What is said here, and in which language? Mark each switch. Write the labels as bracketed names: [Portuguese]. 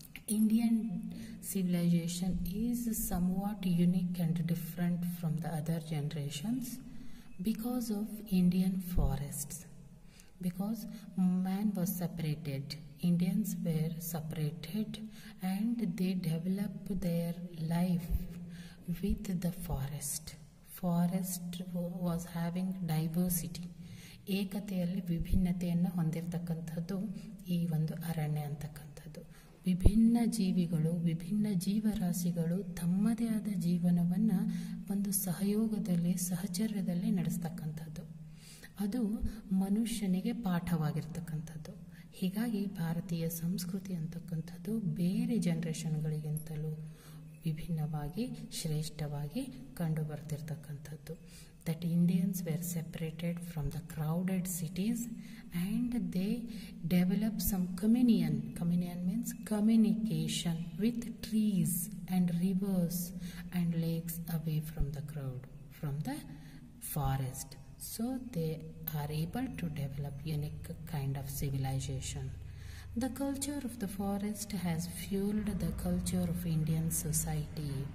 [English] Indian civilization is somewhat unique and different from the other generations because of Indian forests. Because man was separated, Indians were separated, and they developed their life with the forest. Forest was having diversity. [Kannada] ಏಕತೆಯಲ್ಲಿ ವಿಭಿನ್ನತೆಯನ್ನು ಹೊಂದಿರತಕ್ಕಂಥದ್ದು ಈ ಒಂದು ಅರಣ್ಯ ಅಂತಕ್ಕಂಥದ್ದು. ವಿಭಿನ್ನ ಜೀವಿಗಳು, ವಿಭಿನ್ನ ಜೀವರಾಶಿಗಳು ತಮ್ಮದೇ ಆದ ಜೀವನವನ್ನು ಒಂದು ಸಹಯೋಗದಲ್ಲಿ, ಸಹಚರ್ಯದಲ್ಲಿ ನಡೆಸ್ತಕ್ಕಂಥದ್ದು. ಅದು ಮನುಷ್ಯನಿಗೆ ಪಾಠವಾಗಿರ್ತಕ್ಕಂಥದ್ದು. ಹೀಗಾಗಿ ಭಾರತೀಯ ಸಂಸ್ಕೃತಿ ಅಂತಕ್ಕಂಥದ್ದು ಬೇರೆ ಜನರೇಷನ್ಗಳಿಗಿಂತಲೂ ವಿಭಿನ್ನವಾಗಿ, ಶ್ರೇಷ್ಠವಾಗಿ ಕಂಡು ಬರ್ತಿರ್ತಕ್ಕಂಥದ್ದು. [English] That Indians were separated from the crowded cities and they develop some communion. Communion means communication with trees and rivers and lakes, away from the crowd, from the forest. So they are able to develop unique kind of civilization. The culture of the forest has fueled the culture of Indian society.